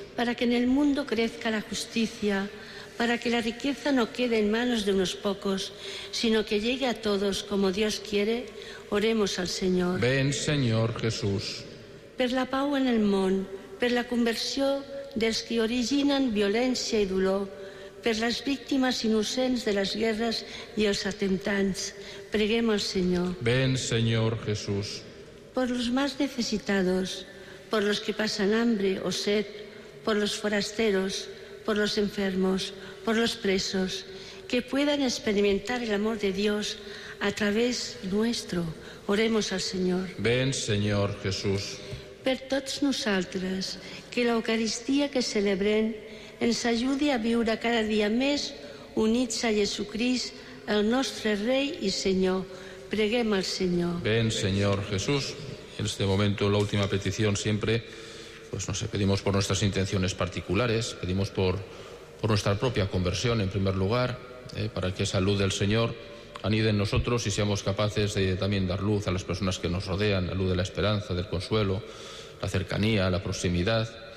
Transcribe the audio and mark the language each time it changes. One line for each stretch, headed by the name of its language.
Spanish: Para que en el mundo crezca la justicia, para que la riqueza no quede en manos de unos pocos, sino que llegue a todos como Dios quiere, oremos al Señor. Ven, Senyor Jesús.
Catalan: Per la pau en el món, per la conversió dels que originen violència i dolor, per les víctimes innocents de les guerres i els atemptats, preguem al Senyor. Ven, Senyor Jesús.
Spanish: Por los más necesitados, por los que pasan hambre o sed, por los forasteros, por los enfermos, por los presos, que puedan experimentar el amor de Dios a través nuestro, oremos al Señor. Ven, Señor Jesús.
Catalan: Per tots nosaltres, que l'Eucaristia que celebrem ens ajudi a viure cada dia més units a Jesucrist, el nostre Rei i Senyor. Preguem al Senyor.
Spanish: Ven, Senyor Jesús. En este momento, la última petición siempre, pues no sé, pedimos por nuestras intenciones particulares, pedimos por nuestra propia conversión en primer lugar, para que esa luz del Señor anide en nosotros y seamos capaces de también dar luz a las personas que nos rodean, la luz de la esperanza, del consuelo, la cercanía, la proximidad.